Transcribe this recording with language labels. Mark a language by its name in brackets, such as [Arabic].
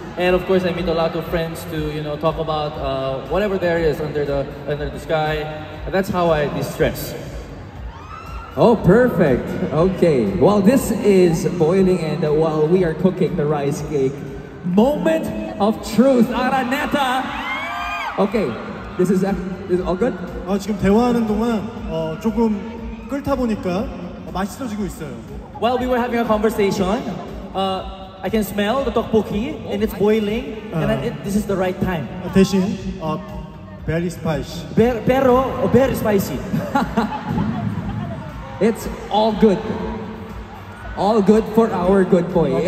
[English] And of course, I meet a lot of friends to, you know, talk about whatever there is under the sky. And that's how I de-stress. Oh, perfect. Okay. While this is boiling and while we are cooking the rice cake, moment of truth, Araneta. Okay. This is all good? [Korean] 지금 대화하는 동안 조금 끓다 보니까 맛있어지고 있어요. [English] While we were having a conversation, I can smell the tteokbokki and it's boiling, this is the right time. Addition, very spicy. Very spicy. It's all good. All good for our good boy. Okay.